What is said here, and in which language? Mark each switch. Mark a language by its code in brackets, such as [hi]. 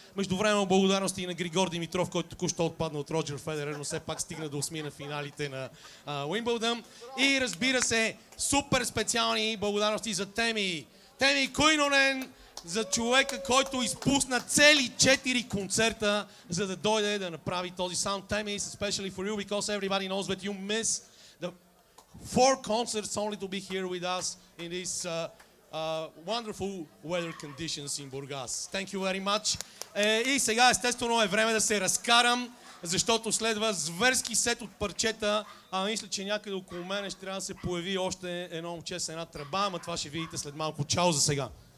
[bg] Междувременно благодарности и на Григор Димитров, който току-що отпадна от Роджер Федерер, но все пак стигна да осми на финалите на Уимбълдън. И разбира се, супер специални благодарности за Теми. Теми Куинонен, за човека, който изпусна цели 4 концерта, за да дойде да направи този саунд. [en] Теми, especially for you, because everybody knows that you miss 4 concerts only to be here with us in this wonderful weather conditions in Бургас. Thank you very much. [bg] И сега, естествено, е време да се разкарам, защото следва зверски сет от парчета, а мисля, че някъде около мене ще трябва да се появи още едно момче с една тръба, ама това ще видите след малко. Чао за сега!